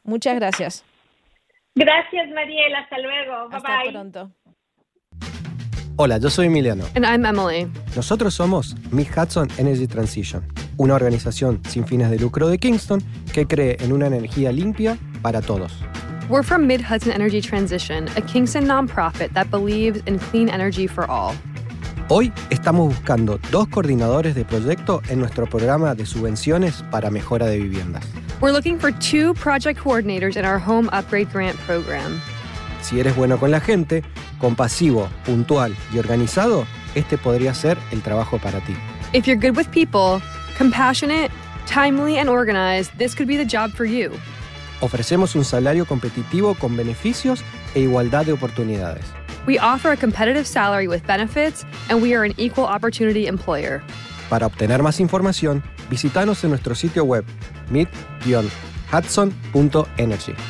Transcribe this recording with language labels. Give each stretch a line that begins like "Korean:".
Spanish: Muchas gracias. Gracias, Mariel. Hasta luego. Hasta
English: bye.
Spanish: Hasta pronto. Hola, yo soy Emiliano.
English: And I'm Emily.
Spanish: Nosotros somos Miss Hudson Energy Transition, una organización sin fines de lucro de Kingston que cree en una energía limpia para todos.
English: We're from Mid-Hudson Energy Transition, a Kingston nonprofit that believes in clean energy for all.
Spanish: Hoy estamos buscando dos coordinadores de proyecto en nuestro programa de subvenciones para mejora de viviendas.
English: We're looking for two project coordinators in our home upgrade grant program.
Spanish: Si eres bueno con la gente, compasivo, puntual y organizado, este podría ser el trabajo para ti.
English: If you're good with people, compassionate, timely and organized, this could be the job for you.
Spanish: Ofrecemos un salario competitivo con beneficios e igualdad de oportunidades.
English: We offer a competitive salary with benefits and we are an equal opportunity employer.
Spanish: Para obtener más información, visítanos en nuestro sitio web mid-hudson.energy.